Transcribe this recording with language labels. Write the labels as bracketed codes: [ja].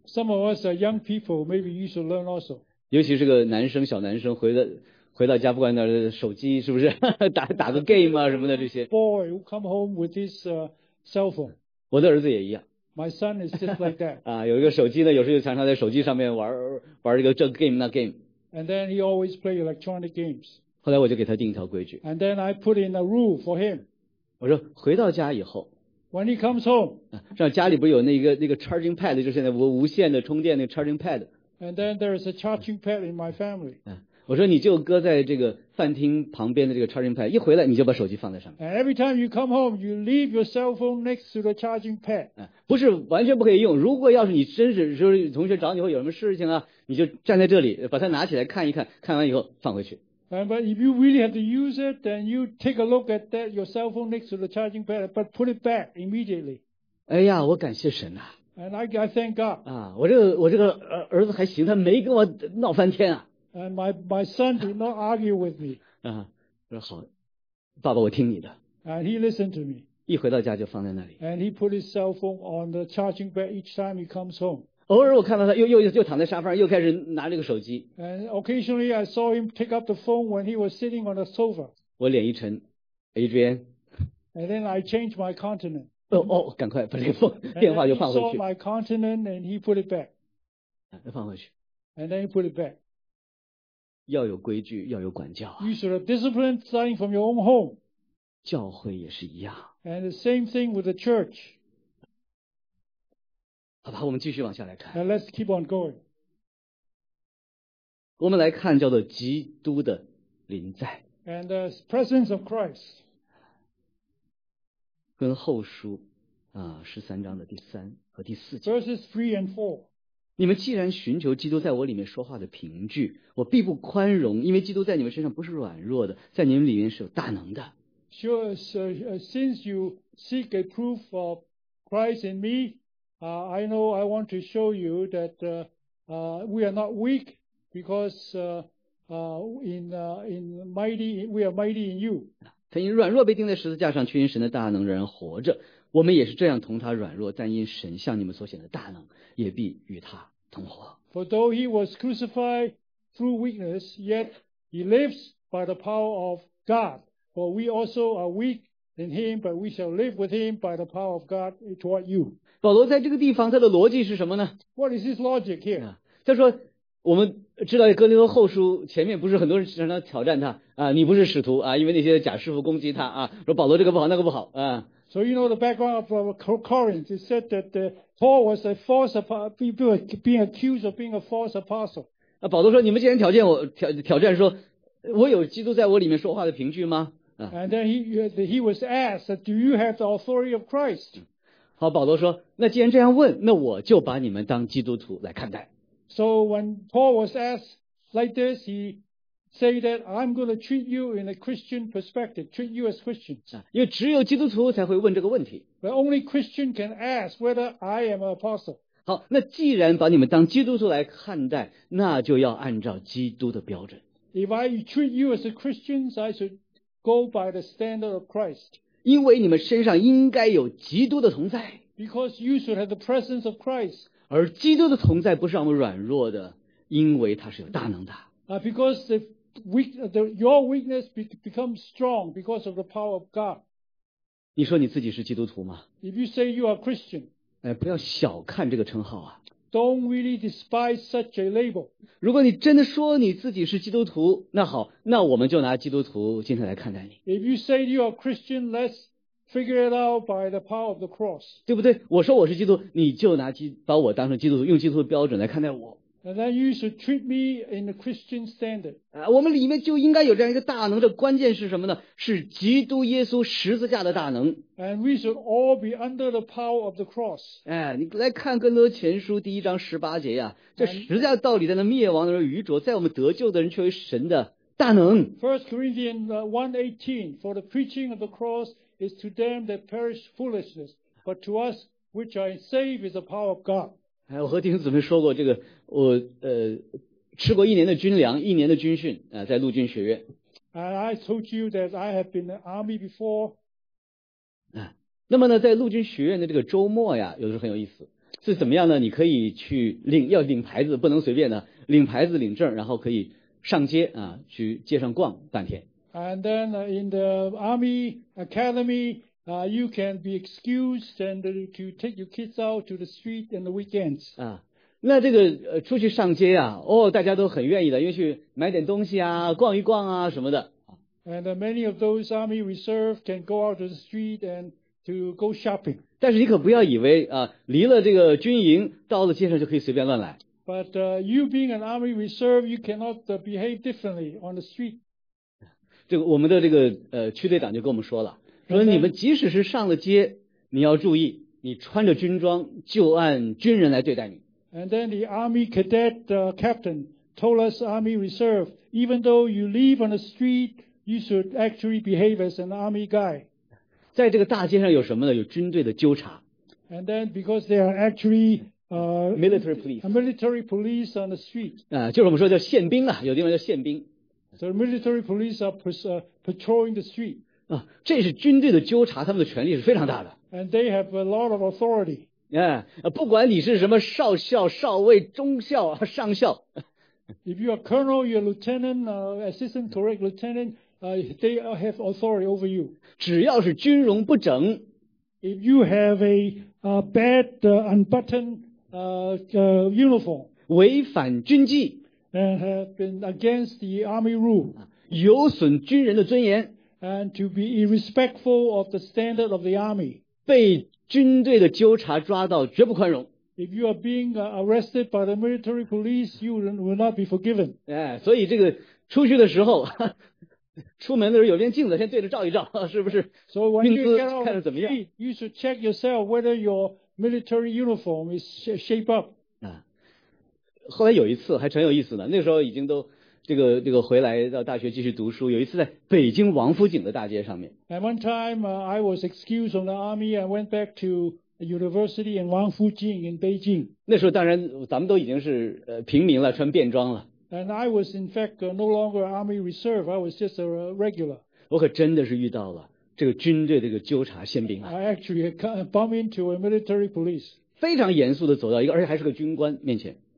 [en] Some of us are young people, maybe you should learn also. [zh] 尤其是个男生，小男生回到家，不管那手机是不是打个 game 啊什么的这些。 [en] Boy who come home with his cell phone. [zh] 我的儿子也一样。 [en] My son is just like that. [zh] 有一个手机呢，有时候常常在手机上面玩一个这个 game 那 game. [en] And then he always play electronic games. [zh] 后来我就给他定一条规矩。 [en] And then I put in a rule for him. [zh] 我说回到家以后。 [en] When he comes home. [zh] 像家里不有那个 charging pad， 就是现在无线的充电那个 charging pad。 [en] And then there is a charging pad in my family. [zh] 我说你就搁在这个饭厅旁边的这个 charging pad， 一回来你就把手机放在上面。 [en] And every time you come home, you leave your cell phone next to the charging pad. [zh] 不是完全不可以用，如果要是你真是说同学找你或有什么事情啊，你就站在这里把它拿起来看一看，看完以后放回去。 [en] And but if you really have to use it, then you take a look at that your cell phone next to the charging pad, but put it back immediately. [zh] 哎呀，我感谢神啊。 [en] And I thank God. [zh] 我这个儿子还行，他没跟我闹翻天啊。 [en] And my son did not argue with me. [zh] 说好，爸爸我听你的。 [en] And he listened to me. [zh] 一回到家就放在那里。 [en] And he put his cell phone on the charging pad each time he comes home. [zh] 偶尔我看到他又躺在沙发上又开始拿这个手机。 [en] And occasionally I saw him take up the phone when he was sitting on the sofa. [zh] 我脸一沉 ，Adrian. [en] And then I changed my countenance. [zh] 赶快把这个电话就放回去。 [en] And he saw my countenance and he put it back. [zh] 放回去。 [en] And then he put it back. [zh] 要有规矩，要有管教啊。 [en] You should have discipline starting from your own home. [zh] 教会也是一样。 [en] And the same thing with the church. [zh] 好吧，我们继续往下来看。 [en] Now let's keep on going. [zh] 我们来看叫做基督的临在。 [en] And the presence of Christ. [zh] 跟后书十三章的第三和第四节。 [en] Verses 3 and 4. [zh] 你们既然寻求基督在我里面说话的凭据，我必不宽容，因为基督在你们身上不是软弱的，在你们里面是有大能的。 [en] Sure, since you seek a proof of Christ in me, I know I want to show you that we are not weak, because we are mighty in you. [zh] 曾因软弱被钉在十字架上，却因神的大能仍然活着。我们也是这样同他软弱，但因神向你们所显的大能，也必与他同活。 [en] For though he was crucified through weakness, yet he lives by the power of God. For we also are weak in him, but we shall live with him by the power of God toward you. [zh] 保罗在这个地方，他的逻辑是什么呢 [en] ？What is his logic here？ [zh] 他说，我们知道哥林多后书前面不是很多人时常挑战他啊，你不是使徒啊，因为那些假师傅攻击他啊，说保罗这个不好那个不好啊。 [en] So you know the background of Corinth. It said that Paul was a false apostle, being accused of being a false apostle. [zh] 保罗说你们竟然挑战我，挑战说我有基督在我里面说话的凭据吗？ [en] And then he was asked, do you have the authority of Christ? [zh] 好，保罗说那既然这样问，那我就把你们当基督徒来看待。 [en] So when Paul was asked like this, he say that I'm going to treat you in a Christian perspective, treat you as Christians. [zh] 因为只有基督徒才会问这个问题。 [en] But only Christian can ask whether I am an apostle. [zh] 好，那既然把你们当基督徒来看待，那就要按照基督的标准。 [en] If I treat you as a Christian, I should go by the standard of Christ. [zh] 因为你们身上应该有基督的同在。 [en] Because you should have the presence of Christ. [zh] 而基督的同在不是让我们软弱的，因为他是有大能的。 [en] Because your weakness becomes strong because of the power of God. [zh] 你说你自己是基督徒吗？ [en] If you say you are Christian. [zh] 不要小看这个称号啊。 [en] Don't really despise such a label. [zh] 如果你真的说你自己是基督徒，那好，那我们就拿基督徒今天来看待你。 [en] If you say you are Christian, let's figure it out by the power of the cross. [zh] 对不对？我说我是基督，你就拿把我当成基督徒，用基督徒的标准来看待我。 [en] And then you should treat me in the Christian standard. [zh] 我们里面就应该有这样一个大能，这关键是什么呢？是基督耶稣十字架的大能。 [en] And we should all be under the power of the cross. [zh] 你来看哥林多前书第一章十八节呀，这十字架道理在那灭亡的时候愚拙，在我们得救的人却为神的大能。 [en] First Corinthians 1:18, for the preaching of the cross is to them that perish foolishness, but to us which are saved is the power of God. [zh] 我和弟兄姊妹说过，这个我吃过一年的军粮，一年的军训啊，在陆军学院。 [en] And I told you that I have been in the army before. [zh] 那么呢，在陆军学院的这个周末呀，有的时候很有意思，是怎么样呢？你可以去领牌子，不能随便的领牌子领证，然后可以上街啊，去街上逛半天。 [en] And then in the army academy. You can be excused and to take your kids out to the street on the weekends. [zh] 那这个出去上街啊，哦，大家都很愿意的，因为去买点东西啊，逛一逛啊什么的。 [en] And many of those army reserve can go out to the street and to go shopping. [zh] 但是你可不要以为啊，离了这个军营，到了街上就可以随便乱来。 [en] But you being an army reserve, you cannot behave differently on the street. [zh] 这个我们的这个区队长就跟我们说了。说你们即使是上了街，你要注意，你穿着军装就按军人来对待你。 [en] And then the army cadet captain told us army reserve, even though you live on the street, you should actually behave as an army guy. [zh] 在这个大街上有什么呢？有军队的纠察。 [en] And then because they are actually military police, military police on the street. [zh] 就是我们说叫宪兵啊，有地方叫宪兵。 [en] So military police are patrolling the street. [zh] 这是军队的纠察，他们的权力是非常大的。 [en] And they have a lot of authority. [zh] 不管你是什么少校、少尉、中校、上校。 [en] If you are colonel, you are lieutenant, assistant correct lieutenant, they have authority over you. [zh] 只要是军容不整。 [en] If you have a bad unbuttoned uniform. [zh] 违反军纪。 [en] And have been against the army rule. [zh] 有损军人的尊严。 [en] And to be irrespectful of the standard of the army. [zh] 被军队的纠察抓到绝不宽容。 [en] If you are being arrested by the military police, you will not be forgiven. [zh] 所以这个出去的时候，出门的时候有面镜子，先对着照一照，是不是？ [en] So when you get out, [zh] 看着怎么样？ [en] You should check yourself whether your military uniform is shape up. [zh] 后来有一次还挺有意思的，那时候已经都这个回来到大学继续读书，有一次在北京王府井的大街上面。 [en] And one time, I was excused from the army and went back to university in Wang Fu Jing in Beijing. [zh] 那时候当然咱们都已经是平民了，穿便装了。 [en] And I was in fact no longer army reserve, I was just a regular. [zh] 我可真的是遇到了这个军队这个纠察宪兵啊。 [en] I actually bumped into a military police. [zh] 非常严肃地走到一个，而且还是个军官面前。